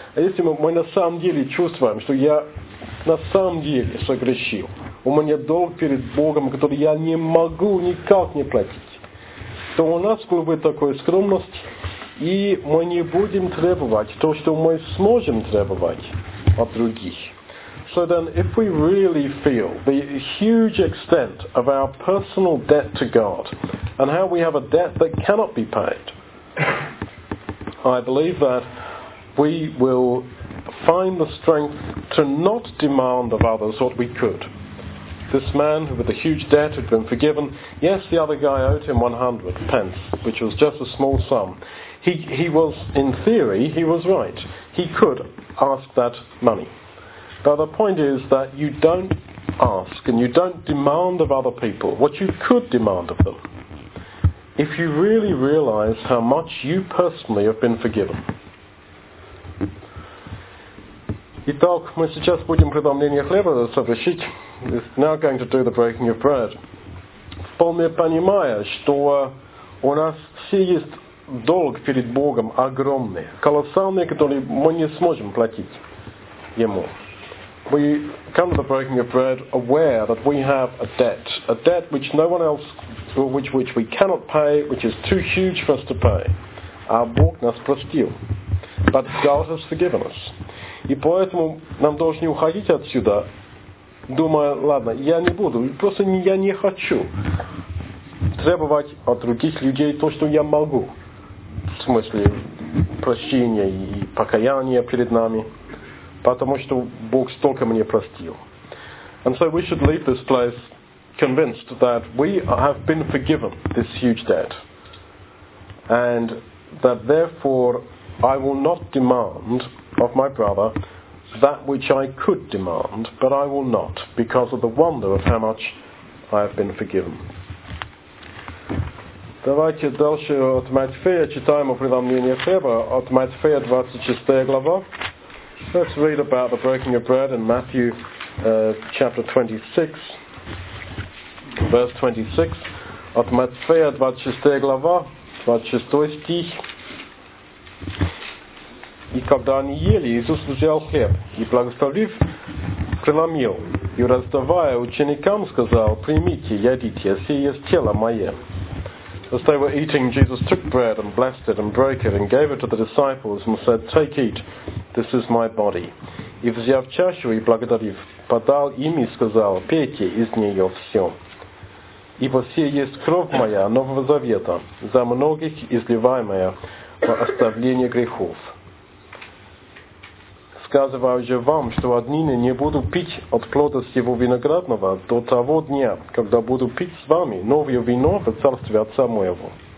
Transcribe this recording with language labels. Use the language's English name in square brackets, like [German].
[Russian] А если мы на самом деле чувствуем, что я на самом деле согрешил, у меня долг перед Богом, который я не могу никак не платить, то у нас будет бы такая скромность, и мы не будем требовать то, что мы сможем требовать от других. [English] So then, if we really feel the huge extent of our personal debt to God and how we have a debt that cannot be paid, I believe that we will find the strength to not demand of others what we could. This man with a huge debt had been forgiven. Yes, the other guy owed him 100 pence, which was just a small sum. He was, in theory, he was right. He could ask that money. But the point is that you don't ask and you don't demand of other people what you could demand of them. If you really realize how much you personally have been forgiven. [Russian] Итак, мы сейчас будем преломление хлеба совершить. [English] We're now going to do the breaking of bread. [Russian] Вполне понимая, что у нас все есть долг перед Богом огромный, колоссальный, который мы не сможем платить Ему. [English] We come to the breaking of bread aware that we have a debt which no one else, which we cannot pay, which is too huge for us to pay. Our [Russian] Бог нас простил. [English] But God has forgiven us. [Russian] И поэтому нам должны уходить отсюда, думая, ладно, я не буду, просто я не хочу требовать от других людей то, что я могу. В смысле прощения и покаяния перед нами. Потому что Бог столько мне простил. [English] And so we should leave this place convinced that we have been forgiven this huge debt. And that therefore I will not demand of my brother that which I could demand, but I will not, because of the wonder of how much I have been forgiven. [Russian] Давайте дальше от Матфея читаем о преломлении хлеба от Матфея 26 глава. [English] Let's read about the breaking of bread in Matthew chapter 26, verse 26. [Russian] От Матфея 26 глава, 26 стих. И когда они ели, Иисус взял хлеб и, благословив, преломил. И, раздавая ученикам, сказал, «Примите, едите, сие есть тело мое». [English] As they were eating, Jesus took bread and blessed it and broke it and gave it to the disciples and said, Take, eat, this is my body. [Russian] И взяв чашу и благодарив, подал им и сказал, Пейте из нее все. Ибо сие есть кровь моя Нового Завета, за многих изливаемая во оставление грехов. Сказываю же вам, что отныне не буду пить от плода сего виноградного до того дня, когда буду пить с вами новое вино в царстве Отца моего.